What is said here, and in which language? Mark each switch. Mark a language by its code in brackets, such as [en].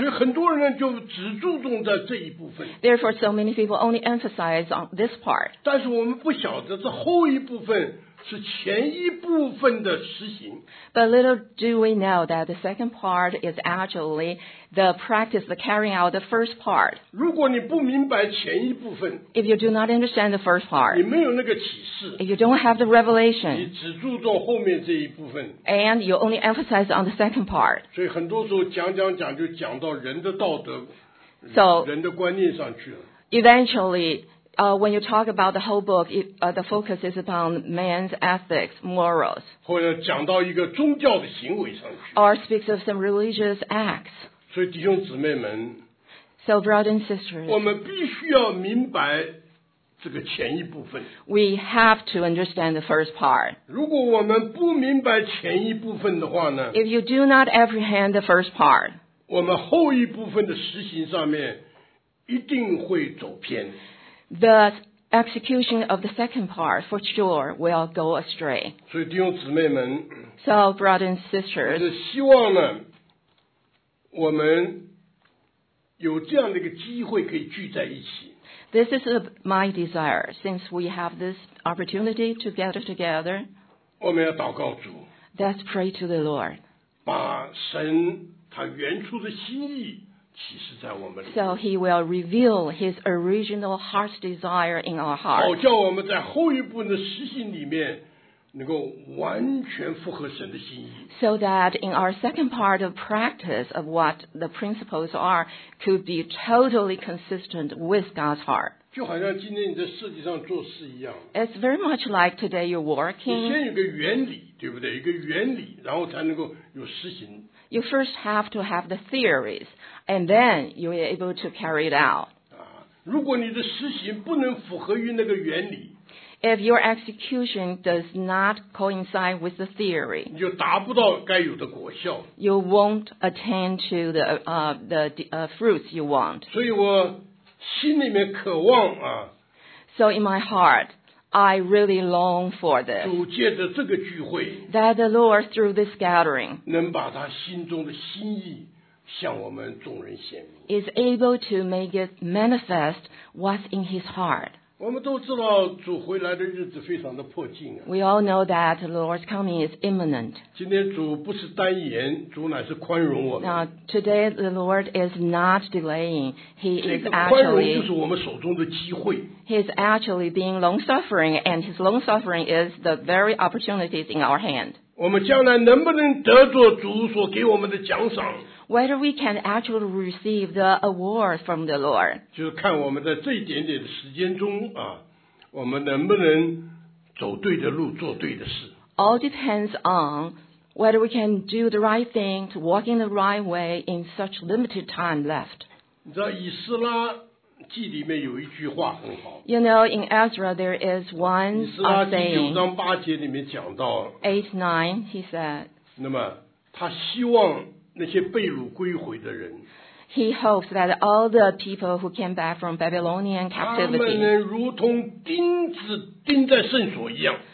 [zh] 所以很多人就只注重在这一部分。 [en] Therefore, so many people only emphasize on this part. [zh] 但是我们不晓得这后一部分是前一部分的实行。 [en] But little do we know that the second part is actually the practice, the carrying out the first part. [zh] 如果你不明白前一部分， [en] if you do not understand the first part, [zh] 你没有那个启示， [en] if you don't have the revelation, [zh] 你只注重后面这一部分， [en] and you only emphasize on the second part. [zh] 所以很多时候讲就讲到人的道德， [en] so, [zh] 人的观念上去了。 [en] Eventually,when you talk about the whole book, the focus is upon man's ethics, morals. [zh] 或者讲到一个宗教的行为上去。 [en] Or speaks of some religious acts. [zh] 所以弟兄姊妹们， [en] So brothers and sisters, [zh] 我们必须要明白这个前一部分。 [en] We have to understand the first part. [zh] 如果我们不明白前一部分的话呢， [en] If you do not apprehend the first part, [zh] 我们后一部分的实行上面一定会走偏。 [en] The execution of the second part for sure will go astray. [zh] 所以弟兄姊妹们， [en] So brothers and sisters, [zh] 我希望呢，我们有这样的一个机会可以聚在一起。 [en] This is my desire, since we have this opportunity to gather together, [zh] 我们要祷告主， [en] Let's pray to the Lord. [zh] 把神他原初的心意启示在我们里。 [en] So he will reveal his original heart's desire in our heart. [zh] 好叫我们在后一部分的实行里面能够完全符合神的心意。 [en] So that in our second part of practice of what the principles are could be totally consistent with God's heart. [zh] 就好像今天你在世界上做事一样。 [en] It's very much like today you're working. [zh] 你先有个原理，对不对？一个原理，然后才能够有实行。 [en] You first have to have the theories, and then you are able to carry it out. [zh] 如果你的实行不能符合于那个原理， [en] if your execution does not coincide with the theory, [zh] 你就达不到该有的果效， [en] you won't attain to the fruits you want. [zh] 所以我心里面渴望啊。 [en] So in my heart, I really long for this. [zh] 主借着这个聚会， [en] that the Lord through this gathering [zh] 能把他心中的心意向我们众人显明， [en] is able to make it manifest what's in his heart. [zh] 我们都知道主回来的日子非常的迫近啊。 [en] We all know that the Lord's coming is imminent. [zh] 今天主不是单言，主乃是宽容我们。 [en] Now, today the Lord is not delaying. He is actually, [zh] 宽容就是我们手中的机会。 [en] He is actually being long-suffering, and his long-suffering is the very opportunities in our hand. [zh] 我们将来能不能得着主所给我们的奖赏？ [en] Whether we can actually receive the award from the Lord. [zh] 就是看我们在这一点点的时间中啊，我们能不能走对的路，做对的事。 [en] All depends on whether we can do the right thing to walk in the right way in such limited time left. [zh] 你知道以斯拉记里面有一句话很好。 [en] You know, in Ezra there is one saying. [zh] 以斯拉第九章八节里面讲到。 [en] 8:9, he said. [zh] 那么他希望那些被掳归回的人， [en] He hopes that all the people who came back from Babylonian captivity, [zh] 他们能如同钉子钉在圣所一样，